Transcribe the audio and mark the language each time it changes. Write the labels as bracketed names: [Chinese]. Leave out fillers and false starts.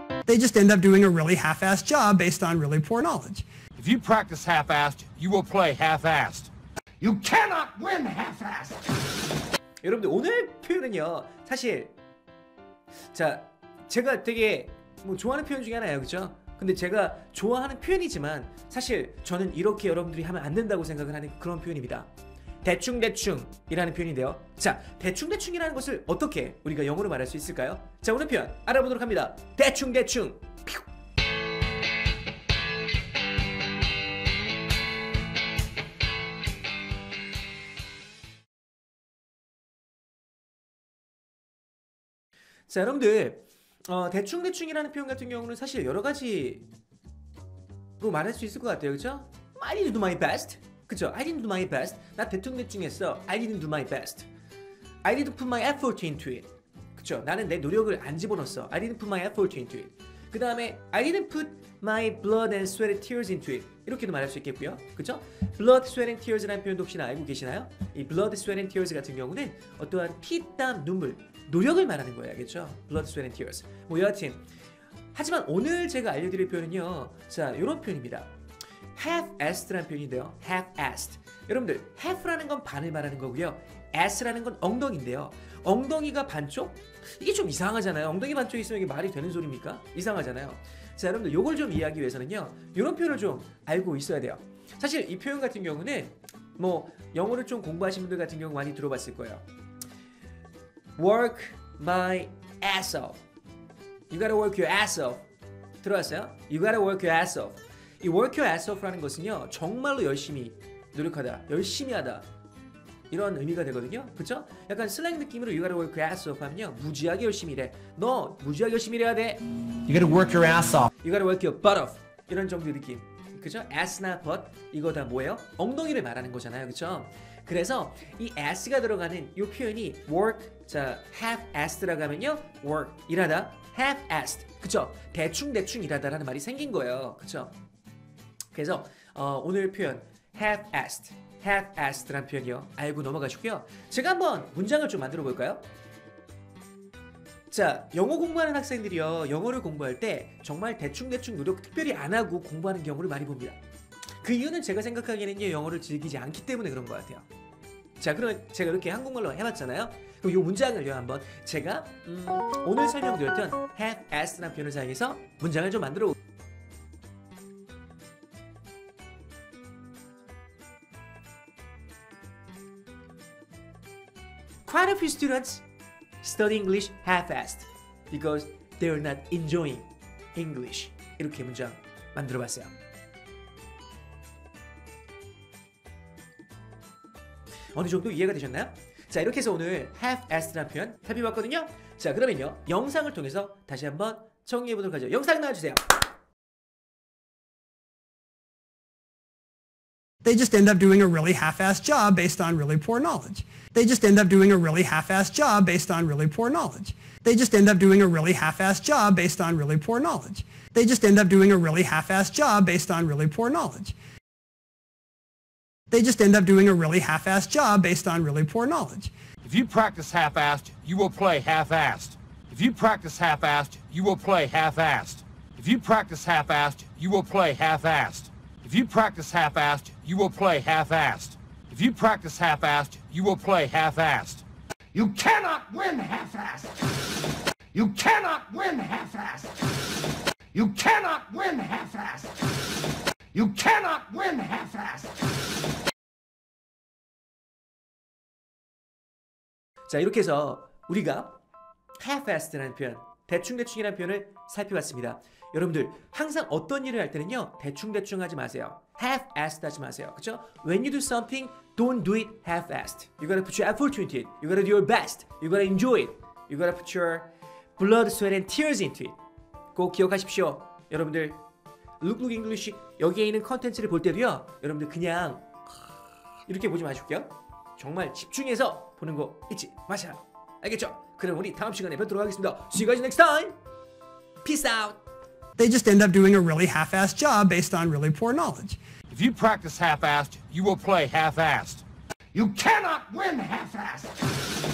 [English] they just end up doing a really half-assed job based on really poor knowledge. If you practice half-assed, you will play half-assed. You cannot win half-assed! [Korean] 여러분들 오늘 표현은요 사실 자 제가 되게 뭐 좋아하는 표현 중에 하나예요 그죠? 근데 제가 좋아하는 표현이지만 사실 저는 이렇게 여러분들이 하면 안 된다고 생각을 하는 그런 표현입니다. 대충대충이라는 표현인데요. 자 대충대충이라는 것을 어떻게 우리가 영어로 말할 수 있을까요? 자 오늘 표현 알아보도록 합니다. 대충대충 퓨. 자 여러분들 대충대충이라는 표현 같은 경우는 사실 여러 가지로 말할 수 있을 것 같아요. 그쵸? [English] I didn't do my best. 그쵸? I didn't do my best. [Korean] 나 대충대충 했어. [English] I didn't do my best. I didn't put my effort into it. [Korean] 그쵸? 나는 내 노력을 안 집어넣었어. [English] I didn't put my effort into it. [Korean] 그 다음에 [English] I didn't put my blood and sweat and tears into it. [Korean] 이렇게도 말할 수 있겠고요. 그쵸? [English] Blood, sweat and tears [Korean] 라는 표현도 혹시나 알고 계시나요? 이 blood, sweat and tears 같은 경우는 어떠한 피, 땀, 눈물 노력을 말하는 거예요. 알겠죠? [English] Blood, sweat and tears. [Korean] 뭐 여하튼 하지만 오늘 제가 알려드릴 표현은요. 자, 이런 표현입니다. Half-assed라는 표현인데요. [English] Half-assed. [Korean] 여러분들, half라는 건 반을 말하는 거고요. ass라는 건 엉덩인데요. 엉덩이가 반쪽? 이게 좀 이상하잖아요. 엉덩이 반쪽 있으면 이게 말이 되는 소리입니까? 이상하잖아요. 자, 여러분들 이걸 좀 이해하기 위해서는요. 이런 표현을 좀 알고 있어야 돼요. 사실 이 표현 같은 경우는 뭐 영어를 좀 공부하신 분들 같은 경우 많이 들어봤을 거예요. [English] Work my ass off. You gotta work your ass off. [Korean] 들어왔어요? [English] You gotta work your ass off. 이 work your ass off라는 [Korean] 것은요. 정말로 열심히 노력하다. 열심히 하다. 이런 의미가 되거든요. 그쵸? 약간 슬랭 느낌으로 [English] You gotta work your ass off [Korean] 하면요. 무지하게 열심히 일해. 너 무지하게 열심히 일해야 돼. [English] You gotta work your ass off. You gotta work your butt off. [Korean] 이런 정도의 느낌. 그쵸? ass나 butt 이거 다 뭐예요? 엉덩이를 말하는 거잖아요. 그쵸? 그래서 이 ass가 들어가는 이 표현이 work, 자, half-assed라고 하면요. [English] work, [Korean] 일하다, [English] half-assed. [Korean] 그쵸? 대충대충 일하다라는 말이 생긴 거예요. 그쵸? 그래서 오늘 표현 half-assed, half-assed라는 표현이요. 알고 넘어가시고요. 제가 한번 문장을 좀 만들어 볼까요? 자, 영어 공부하는 학생들이요. 영어를 공부할 때 정말 대충대충 노력 특별히 안 하고 공부하는 경우를 많이 봅니다. 그 이유는 제가 생각하기에는 영어를 즐기지 않기 때문에 그런 것 같아요. 자, 그러면 제가 이렇게 한국말로 해봤잖아요. 그럼 이 문장을요, 한번 제가 오늘 설명드렸던 half-assed라는 표현을 사용해서 문장을 좀 만들어 볼게요. [English] Quite a few students study English half-assed because they're not enjoying English. [Korean] 이렇게 문장 만들어 봤어요. 어느 정도 이해가 되셨나요? 자, 이렇게 해서 오늘 half-assed라는 표현 살펴봤거든요. 자, 그러면요. 영상을 통해서 다시 한번 정리해 보도록 하죠. 영상 나와주세요. [English] They just end up doing a really half-assed job based on really poor knowledge. They just end up doing a really half-assed job based on really poor knowledge. They just end up doing a really half-assed job based on really poor knowledge. They just end up doing a really half-assed job based on really poor knowledge. They just end up doing a really half-assed job based on really poor knowledge. If you practice half-assed, you will play half-assed. If you practice half-assed, you will play half-assed. If you practice half-assed, you will play half-assed. If you practice half-assed, you will play half-assed. If you practice half-assed, you will play half-assed. You cannot win half-assed. You cannot win half-assed. You cannot win half-assed. You cannot win half-assed. [Korean] 자, 이렇게 해서 우리가 half-assed라는 표현, 대충대충이라는 표현을 살펴봤습니다. 여러분들, 항상 어떤 일을 할 때는요, 대충대충 하지 마세요. half-assed 하지 마세요. 그쵸? [English] When you do something, don't do it half-assed. You gotta put your effort into it. You gotta do your best. You gotta enjoy it. You gotta put your blood, sweat, and tears into it. [Korean] 꼭 기억하십시오. 여러분들, Look English 여기에 있는 컨텐츠를 볼 때도요, 여러분들 그냥 이렇게 보지 마실게요. 정말 집중해서 보는 거 잊지 마셔. 알겠죠? 그럼 우리 다음 시간에 뵙도록 하겠습니다. [English] See you guys next time. Peace out. They just end up doing a really half-assed job based on really poor knowledge. If you practice half-assed, you will play half-assed. You cannot win half-assed.